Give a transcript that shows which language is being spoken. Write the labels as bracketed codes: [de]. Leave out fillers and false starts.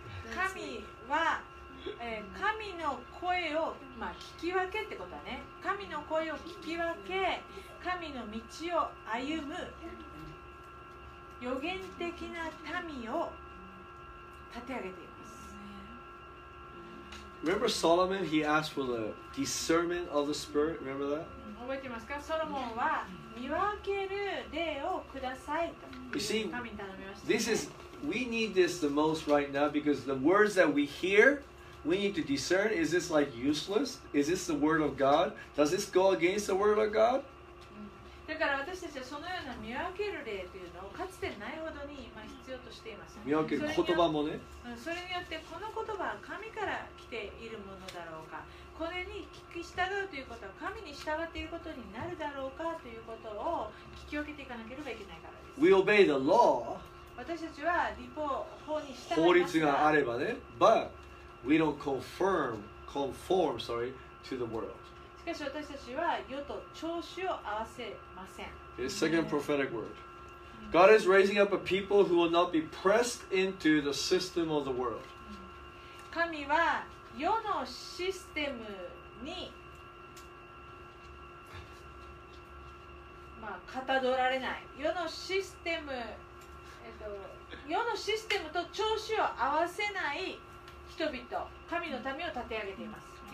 [ja] 神は、神の声を、まあ、聞き分けってことだね。神の声を聞き分け、神の道を歩む預言的な民を立て上げています。 [en] Remember Solomon? He asked for the discernment of the spirit. Remember that? [ja] 覚えてますか？ソロモンは見分ける霊をくださいと。 [en] You see, this is we need this the most right now because the words that we hear, we need to discern. Is this like useless? Is this the word of God? Does this go against the word of God? [ja] だから私たちはそのような見分ける霊というのをかつてないほどに今必要としています。見分ける言葉もね、それによってこの言葉は神から来ているものだろうか、これに聞き従うということは神に従っていることになるだろうかということを聞き分けていかなければいけないからです。 [en] We obey the law. [ja] 私たちは律法に従います。法律があればね。 [en] But we don't conform to the world. [ja] しかし私たちは世と調子を合わせません。 [en] His second prophetic word. God is raising up a people who will not be pressed into the system of the world. [ja] 神は世のシステムに、まあ、かたどられない。世のシステム、世のシステムと調子を合わせない人々、神の民を立て上げています。